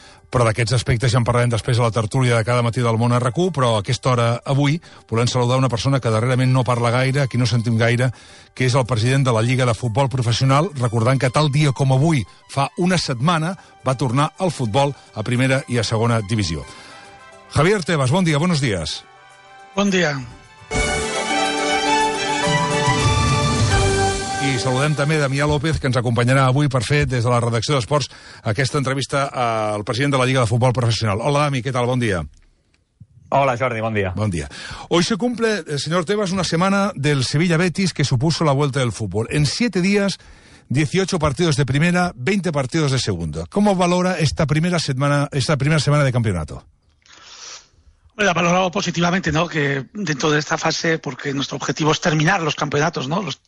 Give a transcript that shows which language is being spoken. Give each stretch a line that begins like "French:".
Catalan: Però d'aquests aspectes ja en parlarem després a la tertúlia de cada matí del Món RQ, però a aquesta hora, avui, volem saludar una persona que darrerament no parla gaire, a qui no sentim gaire, que és el president de la Lliga de Futbol Professional, recordant que tal dia com avui, fa una setmana, va tornar al futbol a primera i a segona divisió. Javier Tebas, bon dia,
Spanish: buenos días.
Catalan: Bon dia. I saludem també Damià López, que ens acompanyarà avui per fer des de la redacció d'Esports aquesta entrevista al president de la Lliga de Futbol Professional. Hola, Dami, què tal? Bon dia. Hola, Jordi, bon dia. Bon dia.
Spanish: Hoy se cumple, señor Tebas, una semana del Sevilla-Betis que supuso la vuelta del fútbol. En 7 días, 18 partidos de primera, 20 partidos de segunda. ¿Cómo valora esta primera semana de campeonato? Bueno, valorado positivamente, ¿no? Que dentro de esta fase, porque nuestro objetivo es terminar los campeonatos, ¿no?